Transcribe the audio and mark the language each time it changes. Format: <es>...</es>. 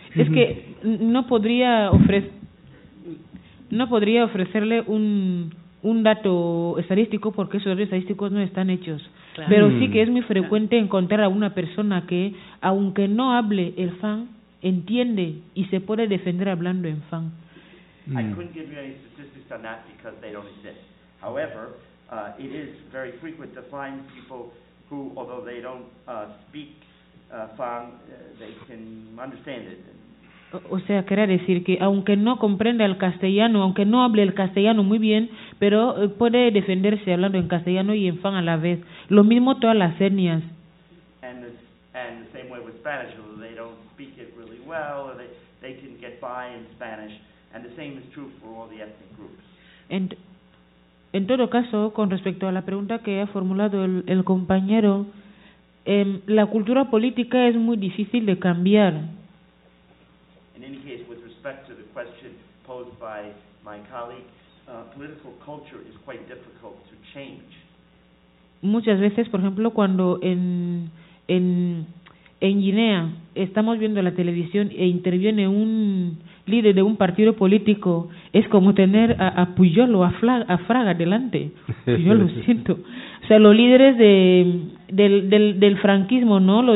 <es>Es que no podría ofrecerle un dato estadístico porque esos datos estadísticos no están hechos. Claro. Pero sí que es muy frecuente encontrar a una persona que, aunque no hable el fan, entiende y se puede defender hablando en fan.</es> <en>I couldn't give you any statistics on that because they don't exist. However, it is very frequent to find people who, although they don't speak Fang, they can understand it.</en> <es>O sea, quería decir que aunque no comprenda el castellano, aunque no hable el castellano muy bien, pero puede defenderse hablando en castellano y en Fang a la vez. Lo mismo todas las etnias.</es> <en>And the same way with Spanish, although they don't speak it really well, or they can get by in Spanish. And the same is true for all the ethnic groups.</en> <es>En todo caso, con respecto a la pregunta que ha formulado el compañero, la cultura política es muy difícil de cambiar.</es> <en>In any case, with respect to the question posed by my colleague, political culture is quite difficult to change.</en> <es>Muchas veces, por ejemplo, cuando en Guinea estamos viendo la televisión e interviene un líder de un partido político, es como tener a Puyol o a Fraga delante. Yo lo siento. O sea, los líderes del franquismo, ¿no?</es>